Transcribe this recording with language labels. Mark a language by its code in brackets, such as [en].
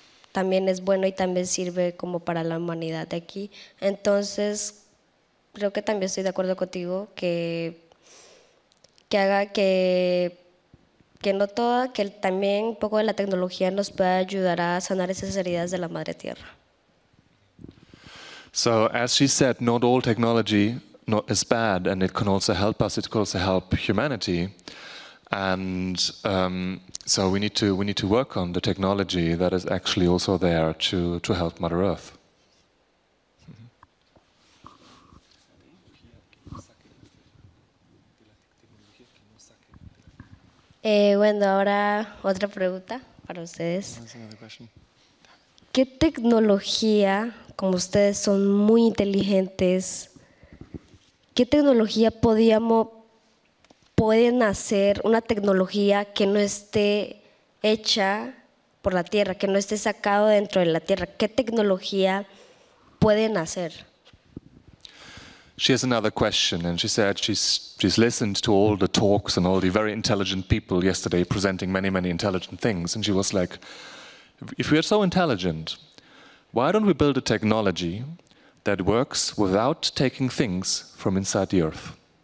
[es] También es bueno y también sirve como para la humanidad de aquí. Entonces, creo que también estoy de acuerdo contigo que también un poco de la tecnología nos pueda ayudar a sanar esas heridas de la madre tierra. [en] So, as she said, not all technology is bad, and it can also help us, it can also help humanity. And so we need to work on the technology that is actually also there to help Mother Earth. [es] Bueno, ahora otra pregunta para ustedes. ¿Qué tecnología, como ustedes son muy inteligentes, qué tecnología pueden hacer una tecnología que no esté hecha por la tierra, que no esté sacado dentro de la tierra? ¿Qué tecnología pueden hacer? [en] She has another question, and she said she's listened to all the talks and all the very intelligent people yesterday presenting many, many intelligent things, and she was like, if we are so intelligent, why don't we build a technology that works without taking things from inside the earth?